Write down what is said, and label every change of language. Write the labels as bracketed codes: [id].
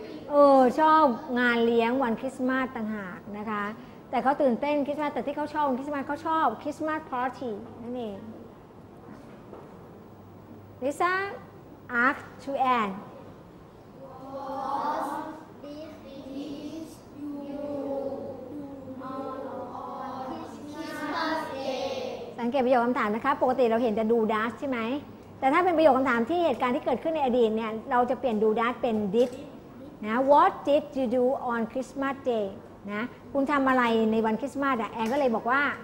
[th] เออชอบงานเลี้ยงวันคริสต์มาสต่างหากนะคะแต่เขาตื่นเต้นคริสต์มาสแต่ที่เขาชอบคริสต์มาสเขาชอบคริสต์มาสปาร์ตี้นั่นเองลิซ่า [en] ask to Anne was this you on Christmas Day [th] สังเกตประโยคคำถามนะคะปกติเราเห็นจะ do does ใช่ไหมแต่ถ้าเป็นประโยคคำถามที่เหตุการณ์ที่เกิดขึ้นในอดีตเนี่ยเราจะเปลี่ยน do does เป็น did นะ [en] what did you do on Christmas Day [th] นะคุณทำอะไรในวันคริสต์มาสอ่ะแอนก็เลยบอกว่า